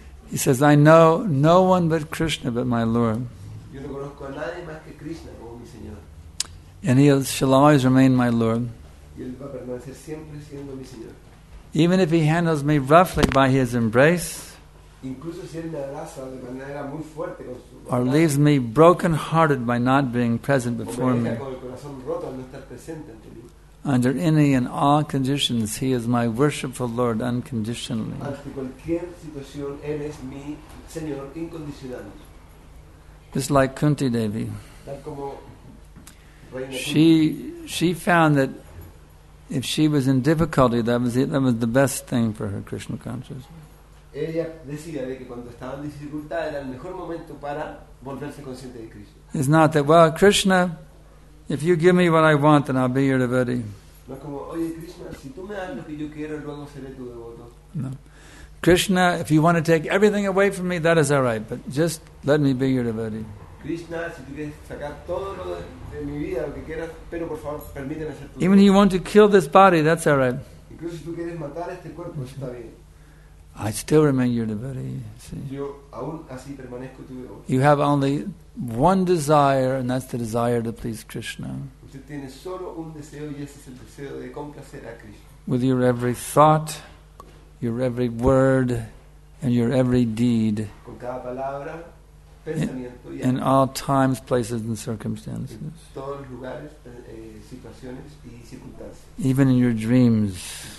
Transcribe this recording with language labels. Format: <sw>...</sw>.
<en>He says, I know no one but Krishna, but my Lord.</en> <es>Yo no conozco a nadie más que Krishna, oh, mi Señor.</es> <en>And he shall always remain my Lord.</en> <es>Y él va a permanecer siempre siendo mi Señor.</es> <en>Even if he handles me roughly by his embrace,</en> <es>incluso si él me abraza de manera muy fuerte con su</es> <en>or leaves me broken-hearted by not being present before me,</en> <es>con el corazón roto al no estar presente ante mí.</es> <en>Under any and all conditions, he is my worshipful Lord unconditionally.</en> <es>Ante cualquier situación, él es mi Señor incondicional.</es> <en>Just like Kunti Devi.</en> <es>Tal como Reina</es> <en>she found that if she was in difficulty, that was the best thing for her Krishna consciousness.</en> <es>Ella decía de que cuando estaba en dificultad era el mejor momento para volverse consciente de Krishna.</es> <en>It's not that, well, Krishna, if you give me what I want, then I'll be your devotee.</en> <es>No.</es> <en>Krishna, if you want to take everything away from me, that is alright, but just let me be your devotee.</en> <es>Krishna, si tú quieres sacar todo lo de mi vida, lo que quieras, pero por favor, permíteme ser tu.</es> <en>Even if you want to kill this body, that's alright.</en> <es>Incluso si tú quieres matar este cuerpo, eso está bien.</es> <en>I still remain your devotee. See.</en> <es>Yo aún así permanezco tu devoto.</es> <en>You have only one desire, and that's the desire to please Krishna.</en> <es>Usted tiene solo un deseo, y ese es el deseo de complacer a Krishna.</es> <en>With your every thought, your every word, and your every deed.</en> <es>Con cada palabra, pensamiento y</es> <en>in all times, places, and circumstances.</en> <es>En todos los lugares, situaciones y circunstancias.</es> <en>Even in your dreams.</en>